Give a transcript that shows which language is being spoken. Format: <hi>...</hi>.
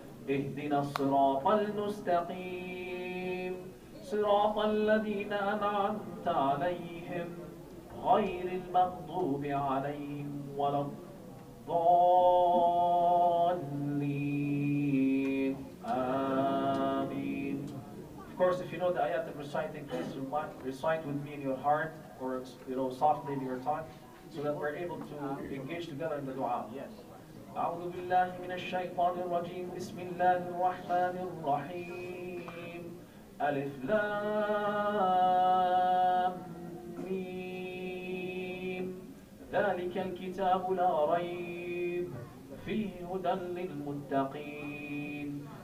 <ar>اهدنا الصراط المستقيم. صراط الذين أنعمت عليهم غير المغضوب عليهم ولا الضالين آمين.</ar> <en>Of course, if you know the ayat of reciting, please recite with me in your heart or softly in your tongue so that we're able to engage together in the dua. Yes.</en> <ar>أعوذ بالله من الشيطان الرجيم بسم الله الرحمن الرحيم ألف لام ميم ذلك الكتاب لا ريب فيه هدى للمتقين</ar>